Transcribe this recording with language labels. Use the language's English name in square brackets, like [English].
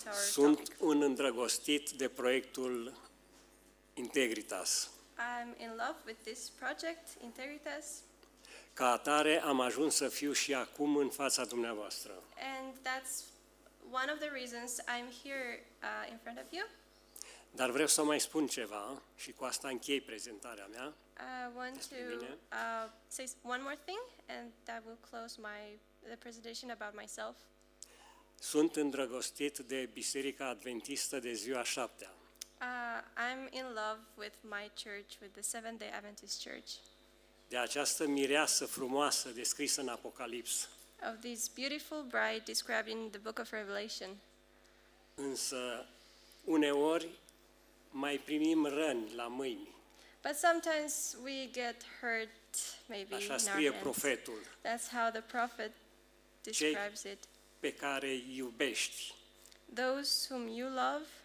[Romanian] Sunt un îndrăgostit de proiectul Integritas. [English] I'm in love with this project, Integritas. [Romanian] Ca atare, am ajuns să fiu și acum în fața dumneavoastră. [English] And that's one of the reasons I'm here in front of you. [Romanian] Dar vreau să mai spun ceva și cu asta închei prezentarea mea. [English] I want to say one more thing and that will close the presentation about myself. [Romanian] Sunt îndrăgostit de Biserica Adventistă de ziua șaptea. [English] I'm in love with my church, with the Seventh Day Adventist Church. [Romanian] De această mireasă frumoasă descrisă în Apocalips. [English] Of this beautiful bride described in the Book of Revelation. [Romanian] Însă uneori mai primim răni la mâini. [English] But sometimes we get hurt maybe. [Romanian] Așa scrie profetul. [English] That's how the prophet describes it. [Romanian] Pe care iubești. [English] Those whom you love.